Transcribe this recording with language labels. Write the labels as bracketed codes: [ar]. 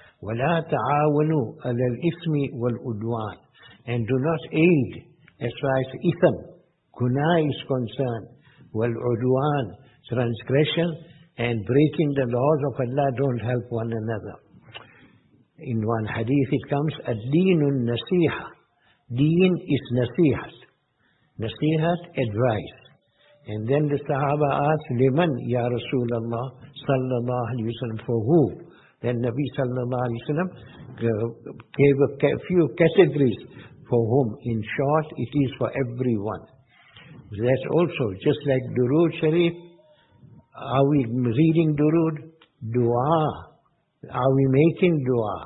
[ar] وَلَا تَعَاوَنُوا عَلَى الْإِثْمِ وَالْعُدْوَانِ, [en] and do not aid as far as ithm, guna is concerned, [ar] وَالْعُدْوَانِ, [en] transgression, and breaking the laws of Allah, don't help one another. In one hadith it comes, [ar] الدِّينُ النَّسِيحَ, [en] deen is nasihat, nasihat, advice. And then the Sahaba asked, [ar] لِمَنْ يَا رَسُولَ اللَّهِ صَلَّى اللَّهُ عَلَيْهِ وَسَلَّمَ, [en] for who? Then Nabi sallallahu alayhi wa sallam gave a few categories for whom. In short, it is for everyone. That's also just like Durood Sharif. Are we reading Durood? Dua. Are we making dua?